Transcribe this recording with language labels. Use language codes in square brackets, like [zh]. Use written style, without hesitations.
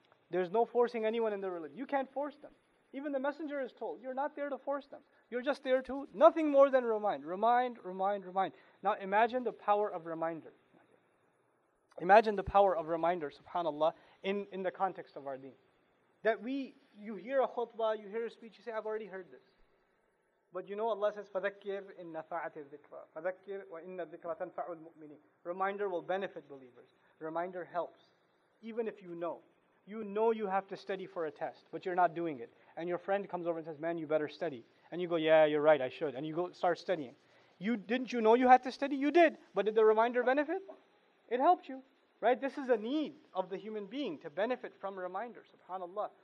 [en] There's no forcing anyone in the religion. You can't force them. Even the Messenger is told, you're not there to force them. You're just there to, nothing more than remind. Remind, remind, remind. Now imagine the power of reminder. Imagine the power of reminder, subhanAllah, in the context of our deen. That you hear a khutbah, you hear a speech, you say, I've already heard this. But you know Allah says, [ar] فَذَكِّرْ إِن نَفَعَتِ الذِّكْرَ فَذَكِّرْ وَإِنَّ الذِّكْرَ تَنْفَعُ الْمُؤْمِنِينَ. [en] Reminder will benefit believers. Reminder helps. Even if you know. You know you have to study for a test, but you're not doing it. And your friend comes over and says, man, you better study. And you go, yeah, you're right, I should. And you go start studying. Didn't you know you had to study? You did. But did the reminder benefit? It helped you. Right? This is a need of the human being to benefit from reminder. SubhanAllah.